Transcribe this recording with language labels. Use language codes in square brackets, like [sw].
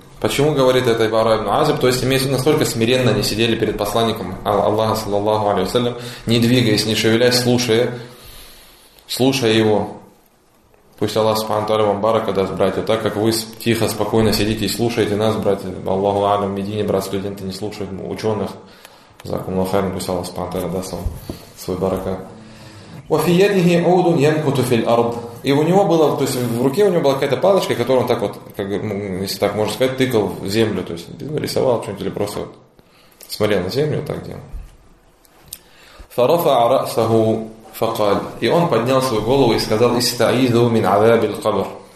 [ru] Почему говорит это Ибара ибн Азиб? То есть, имеется, настолько смиренно они сидели перед посланником Аллаха, саллаллаху алейхи вассалям, не двигаясь, не шевелясь, слушая его. Пусть Аллах субхана ва тааля вам барака даст, братья. Так как вы тихо, спокойно сидите и слушаете нас, братья. Аллаху алям, в Медине, брат, студенты не слушают ученых. Закум лахайм, пусть Аллах субхана ва тааля даст вам свой барака. [ar] وفي يده عود ينكت في الأرض. [ru] И у него было, то есть в руке у него была какая-то палочка, которую он так вот, как, если так можно сказать, тыкал в землю, то есть рисовал что-нибудь или просто вот смотрел на землю, вот так делал. [ar] فرفع رأسه فقال. [ru] И он поднял свою голову и сказал: [ar] استعيذ من عذاب القبر.